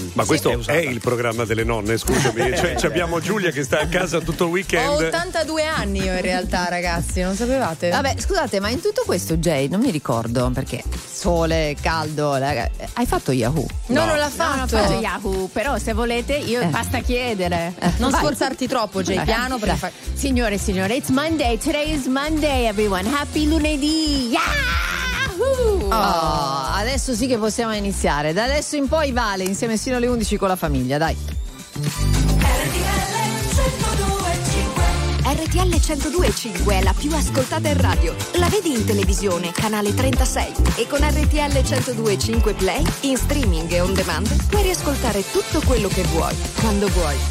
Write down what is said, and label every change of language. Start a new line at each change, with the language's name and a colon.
Italian: Ma questo è il programma delle nonne, scusami. Cioè, abbiamo Giulia che sta a casa tutto il weekend. Ho 82 anni io, in realtà, ragazzi. Non sapevate? Vabbè, scusate, ma in tutto questo, Jay, non mi ricordo perché. Sole, caldo, hai fatto Yahoo? No, non l'ha fatto. Non ho fatto Yahoo, però se volete io basta chiedere. Non sforzarti troppo, Jay, piano. Perché signore e signore,
English: it's Monday, today is Monday, everyone.
Italian: Happy lunedì! Yahoo! Oh, adesso sì che possiamo iniziare. Da adesso in poi vale, insieme sino alle 11 con la famiglia, dai. RTL 102.5 è la più ascoltata in radio. La vedi in televisione, canale 36. E con RTL 102.5 Play, in streaming e on demand, puoi riascoltare tutto quello che vuoi, quando vuoi.